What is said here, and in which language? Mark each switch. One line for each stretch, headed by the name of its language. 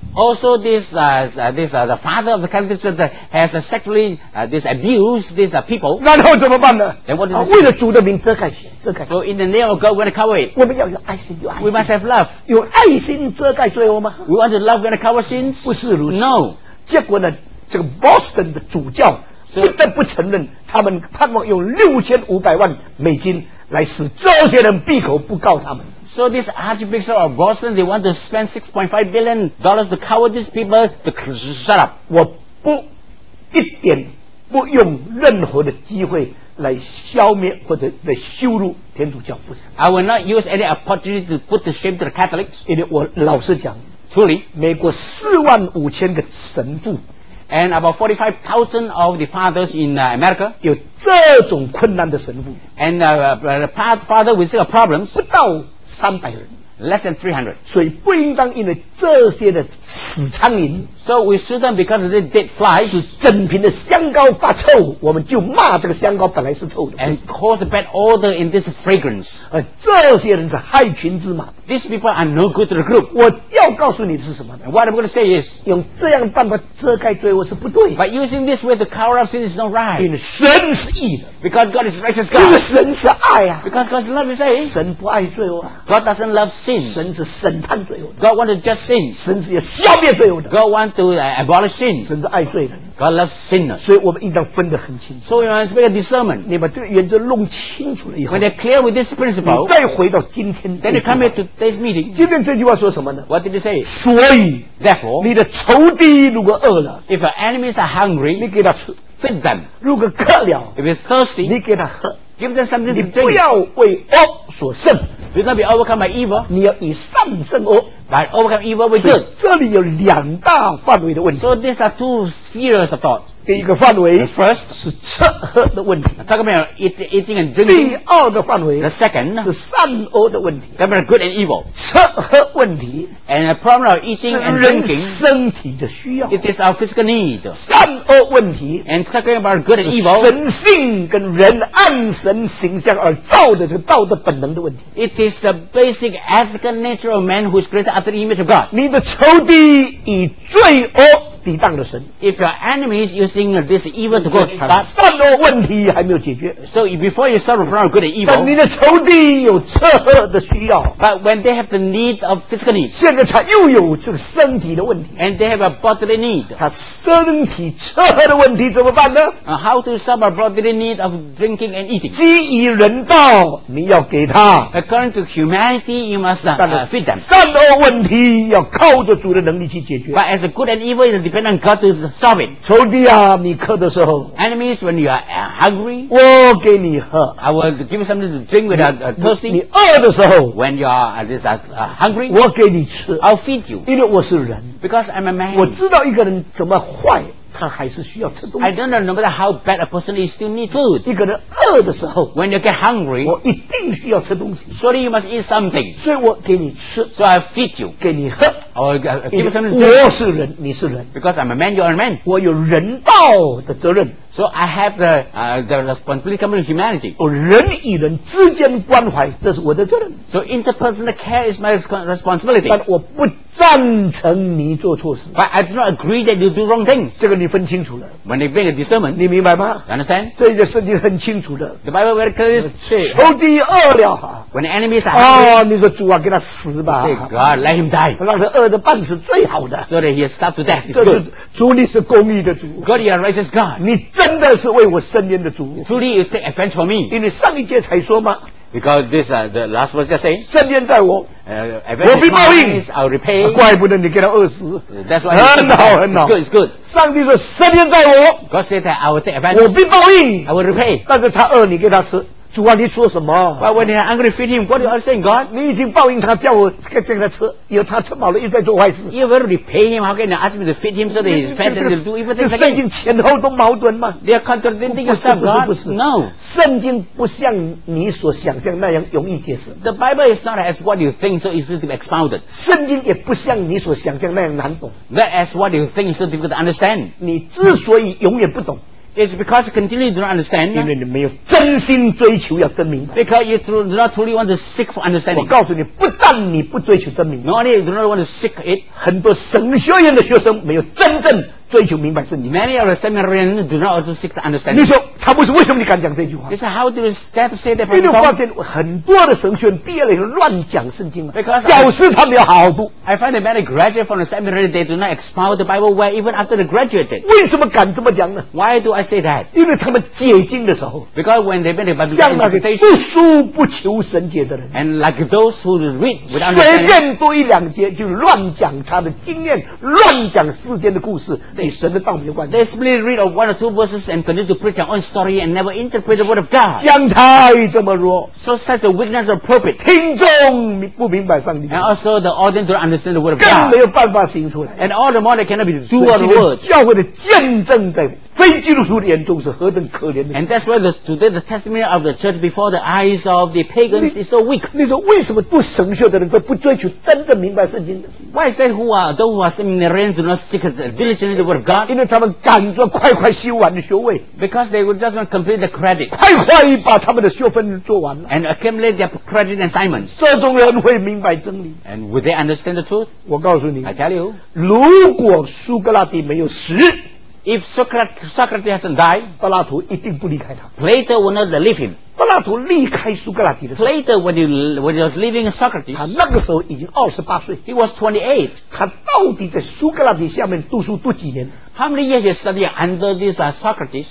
English: Also this the father of the Catholic Church has sexually this abused these people
Chinese: 然后怎么办呢
English: Then what is
Chinese: 为了主的名遮盖血
English: So in the name of God, we're gonna cover it.
Chinese: 我们要有爱心，有爱心。
English: We must have love.
Chinese: 有爱心遮盖罪恶吗
English: ？We want to love, we're gonna cover sins.
Chinese: 不是如此。
English: No.
Chinese: 结果呢，这个 Boston 的主教 so, 不得不承认，他们盼望用6500万美金来使这些人闭口不告他们。
English: So this Archbishop of Boston, they want to spend $6.5 billion to cover these people to shut up.
Chinese: 我不一点不用任何的机会。来消灭或者来羞辱天主教不是
English: I will not use any opportunity to put the shame to the Catholics
Chinese: 因为我老实讲
English: Truly
Chinese: 美国45000个神父
English: And about 45,000 of the fathers in America
Chinese: 有这种困难的神父
English: And the father with such problems
Chinese: 不到300人
English: Less than 300
Chinese: 所以不应当因为这些的死苍蝇
English: So we shouldn't because of the dead flies
Chinese: 是整瓶的香膏发臭我们就骂这个香膏本来是臭的
English: And cause bad odor in this fragrance
Chinese: 这些人是害群之马
English: These people are no good to the group
Chinese: 我要告诉你是什么
English: What I'm going to say is
Chinese: 用这样的办法遮盖罪恶是不对
English: But using this way to cover up sin is not right
Chinese: 因为神是义的
English: Because God is righteous God
Chinese: 因为神是爱啊
English: Because God is love you say
Chinese: 神不爱罪恶
English: God doesn't love sin
Chinese: 神是审判罪恶
English: God wants to judge sin
Chinese: 神是要消灭罪恶的
English: God wants to abolish sin
Chinese: 神是爱罪人
English: God loves sinners
Chinese: 所以我们应当分得很清楚
English: So you must make a discernment
Chinese: 你把这个原则弄清楚了以后
English: When they're clear with this principle
Chinese: 你再回到今天
English: Then you come here to this meeting
Chinese: 今天这句话说什么呢
English: What did he say
Chinese: 所以
English: Therefore
Chinese: 你的仇敌如果饿了
English: If your enemies are hungry
Chinese: 你给他吃
English: Feed them
Chinese: 如果渴了
English: If you're thirsty
Chinese: 你给他喝
English: Give them something to drink
Chinese: 你不要为恶所胜
English: Do not be overcome by evil.
Chinese: 你要以善胜恶
English: But overcome evil with good.
Chinese: 这里有两大范围的问题
English: So these are two serious thoughts.
Chinese: 第一个范围
English: The first
Chinese: 是吃喝的问题
English: Talk about eating and drinking.
Chinese: 第二个范围
English: The second
Chinese: 是善恶的问题
English: Talk about good and evil.
Chinese: 吃喝问题
English: And the problem of eating and drinking
Chinese: 是人身体的需要
English: It is our physical need.
Chinese: 善恶问题
English: And talking about good and evil
Chinese: 是神性跟人按神形象而造的这个道德本能的问题
English: It is the basic ethical nature of man who is created after the image of God.
Chinese: 你的仇敌以罪恶抵挡了神。
English: If your enemy is using this evil to go,
Chinese: 善恶问题还没有解决。
English: So before you solve the problem of good and evil,
Chinese: 但你的仇敌有吃喝的需要。
English: But when they have the need of physical need,
Chinese: 现在他又有这个身体的问题。
English: And they have a bodily need,
Chinese: 他身体吃喝的问题怎么办呢？
English: How to solve a bodily need of drinking and eating?
Chinese: 基于人道，你要给他。
English: According to humanity, you must feed them.
Chinese: 善恶问题要靠着主的能力去解决。
English: But as a good and evil is dependent depend on God to solve it.
Chinese: 仇敌啊，你渴的时候。
English: Enemies, when you are hungry.
Chinese: 我给你喝。
English: I will give you something to drink when you're thirsty.
Chinese: 你饿的时候。
English: When you are hungry.
Chinese: 我给你吃。
English: I'll feed you.
Chinese: 因为我是人。
English: Because I'm a man.
Chinese: 我知道一个人怎么坏。他还是需要吃东西。
English: I don't know, no matter how bad a person is, still need food.
Chinese: 一个人饿的时候
English: ，when you get hungry,
Chinese: 我一定需要吃东西。
English: Surely you must eat something.
Chinese: 所以我给你吃
English: ，so I feed you.
Chinese: 给你喝
English: ，or give something.
Chinese: 我是人，你是人
English: ，because I'm a man, you're a man.
Chinese: 我有人道的责任
English: ，so I have the responsibility coming to humanity.
Chinese: 我人与人之间关怀，这是我的责任。
English: So interpersonal care is my responsibility.
Chinese: 但我不赞成你做错事。
English: But I do not agree that you do wrong things.
Chinese: 这个你分清楚了。
English: When they make a disturbance,
Chinese: 你明白吗
English: ？Understand?
Chinese: 这个圣经很清楚的。
English: The Bible very clearly
Chinese: says, 仇敌饿了。
English: When the enemies are hungry,
Chinese: 哦，你说主啊，给他死吧。
English: Say, God, let him die.
Chinese: 让他饿得半死最好的。
English: So that he is starved to death.
Chinese: 这是主，你是公义的主。
English: God, you are righteous God.
Chinese: 你真的是为我伸冤的主。
English: Truly, you take offense for me.
Chinese: 因为上一节才说吗？
English: Because this the last verse just saying,
Chinese: 圣殿在我，我必报应。
English: I'll repay.
Chinese: 怪不得你给他饿死。
English: That's why
Chinese: 很好很好。
English: It's good, it's good.
Chinese: 上帝说圣殿在我。
English: God said that I will take advantage.
Chinese: 我必报应。
English: I will repay.
Chinese: 但是他饿，你给他吃。主啊，你说什么
English: ？But when I'm angry, feed him. What do you saying, God?
Chinese: 你已经报应他，叫我给他吃，有他吃饱了，又在做坏事。
English: You will repay him. How can you ask me to feed him so that he's fed and do evil things again?
Chinese: 圣经前后都矛盾吗
English: ？They are contradicting yourself, God.
Chinese: 不是
English: ，No.
Chinese: 圣经不像你所想象那样容易解释。
English: The Bible is not as what you think so easily to be expounded.
Chinese: 圣经也不像你所想象那样难懂。
English: Not as what you think so difficult to understand.
Chinese: 你之所以永远不懂。
English: It's because you continually do not understand.
Chinese: 因为你没有真心追求要真明白。
English: Because you do not truly want to seek for understanding.
Chinese: 我告诉你，不但你不追求真明白。
English: Not only you do not want to seek it.
Chinese: 很多神学院的学生没有真正追求明白圣经。
English: Many of the seminarians do not also seek to understand.
Chinese: 你说他不是为什么你敢讲这句话
English: ？It's how do you start to say that?
Chinese: 因为发现很多的神学院毕业了以后乱讲圣经嘛。
English: Because
Chinese: 教师他们有好处。
English: I find that many graduate from the seminary they do not expound the Bible well even after they graduated.
Chinese: 为什么敢这么讲呢
English: ？Why do I say that?
Chinese: 因为他们解经的时候
English: ，Because when they made the Bible
Chinese: interpretation, 像那些不书不求神解的人
English: ，And like those who read without understanding,
Chinese: 随便多一两节就乱讲他的经验，乱讲世间的故事。
English: They simply read of one or two verses and continue to preach their own story and never interpret the word of God.
Chinese: 讲台这么弱
English: so such a weakness of pulpit.
Chinese: 听众不明白上帝。
English: And also the audience don't understand the word of God.
Chinese: 更没有办法行出来。
English: And all the more they cannot be do all the words.
Chinese: 教会的见证在非基督徒的眼中是何等可怜的。
English: And that's why today the testimony of the church before the eyes of the pagans is so weak.
Chinese: 你说为什么不神学的人都不追求真正明白圣经的
English: ？Why is that who are seminarians do not seek diligently the word of God?
Chinese: 因为他们赶着快快修完的学位。
English: Because they would just want to complete the credit.
Chinese: 快快把他们的学分做完了。
English: And accumulate their credit and assignments.
Chinese: 这种人会明白真理。
English: And would they understand the truth?
Chinese: 我告诉你
English: ，I tell you，
Chinese: 如果苏格拉底没有死。
English: If Socrates hasn't died,
Chinese: Plato 一定不离开他。
English: Plato will not leave him.
Chinese: Plato 离开苏格拉底的时候。
English: Plato when he was leaving Socrates,
Chinese: 他那个时候已经28岁。
English: He was 28.
Chinese: 他到底在苏格拉底下面读书读几年
English: ？How many years he studied under this Socrates?